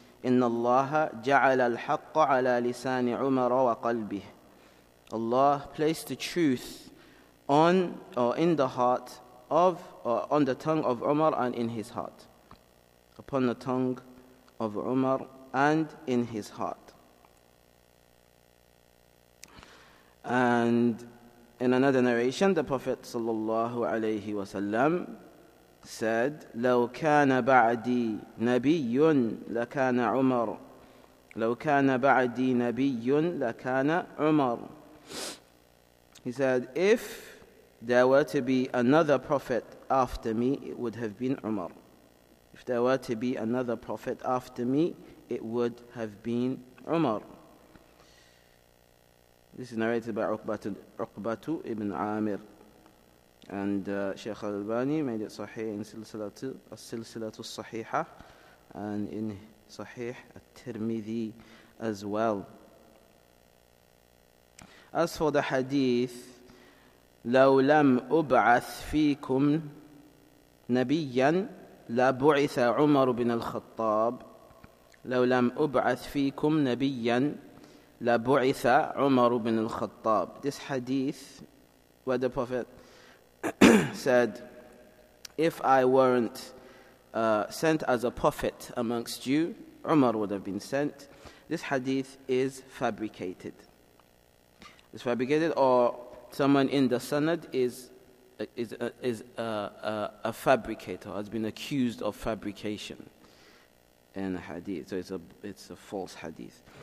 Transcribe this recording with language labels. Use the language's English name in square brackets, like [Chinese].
[Arabic] Inna Allaha ja'ala al-haqqa ala lisani Umara wa qalbihi. [English] Allah placed the truth on or in the heart of, or on the tongue of Umar and in his heart. Upon the tongue of Umar and in his heart. And in another narration, the Prophet sallallahu alayhi wa sallam said, [Arabic] لو كان بعدي نبي لكان عمر لو كان بعدي نبي لكان عمر. [English] He said, if there were to be another prophet after me, it would have been Umar. If there were to be another prophet after me, it would have been Umar. This is narrated by Uqbatu ibn Amir. And Shaykh al-Albani made it sahih in Silsilatu al-Sahiha and in Sahih al-Tirmidhi as well. As for the hadith, [Arabic] لَوْ لَمْ أُبْعَثْ فِيكُمْ نَبِيًّا لَبُعِثَ عُمَرُ بِنَ الْخَطَّابِ لَوْ لَمْ أُبْعَثْ فِيكُمْ نَبِيًّا لَبُعِثَ عُمَرُ بِنَ الْخَطَّابِ. [English] This hadith where the Prophet said, if I weren't sent as a prophet amongst you, Umar would have been sent. This hadith is fabricated. It's fabricated, or someone in the Sanad is a fabricator, has been accused of fabrication in a hadith. So it's a false hadith.